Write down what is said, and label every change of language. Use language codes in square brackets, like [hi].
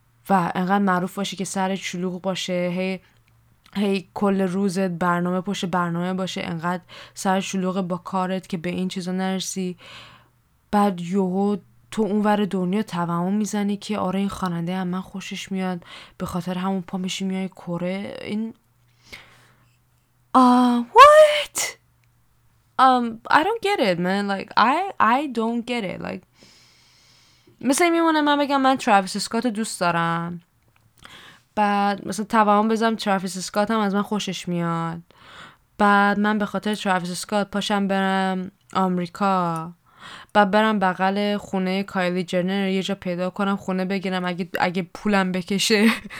[fa] و انقدر معروف باشی که سر شلوغ باشه، هی کل روزت برنامه پشت برنامه باشه، انقدر سر شلوغ با کارت که به این چیزا نرسی، بعد یهو تو اونور دنیا توهم میزنی که آره این خواننده هم من خوشش میاد، به خاطر همون پا میشی میای کره. این [en] what I don't get it man, like I don't get it. Like [fa] مثلا میمونه من بگم من تراویس اسکات دوست دارم، بعد مثلا توهم بزنم تراویس اسکات هم از من خوشش میاد، بعد من به خاطر تراویس اسکات پاشم برم آمریکا، بعد برم بغل خونه کایلی جنر یه جا پیدا کنم خونه بگیرم، اگه پولم بکشه